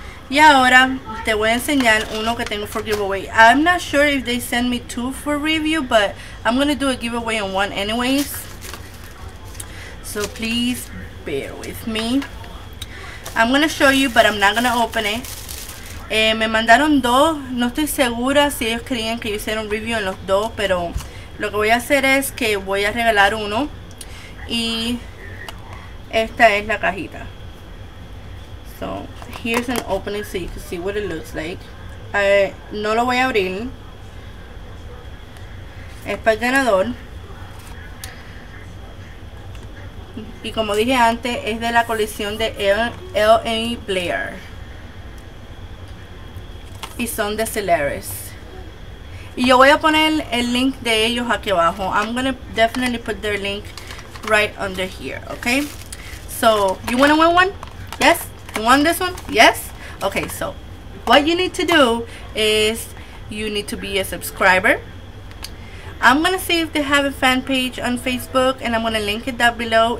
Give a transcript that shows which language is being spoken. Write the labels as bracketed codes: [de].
[es] Y ahora te voy a enseñar uno que tengo [en] for giveaway. I'm not sure if they send me two for review, but I'm gonna do a giveaway on one anyways. So please bear with me. I'm gonna show you, but I'm not gonna open it. [es] Me mandaron dos. No estoy segura si ellos querían que yo hiciera un review en los dos, pero lo que voy a hacer es que voy a regalar uno. Y esta es la cajita. [en] So, here's an opening so you can see what it looks like. [es] No lo voy a abrir. Es para el ganador. Y como dije antes, es de la colección de L.A. Blair. Y son de Celeris. Y yo voy a poner el link de ellos aquí abajo. [en] I'm gonna definitely put their link right under here, okay? So, you wanna win one? Yes? You want this one? Yes? Okay, so what you need to do is you need to be a subscriber. I'm gonna see if they have a fan page on Facebook and I'm gonna link it down below.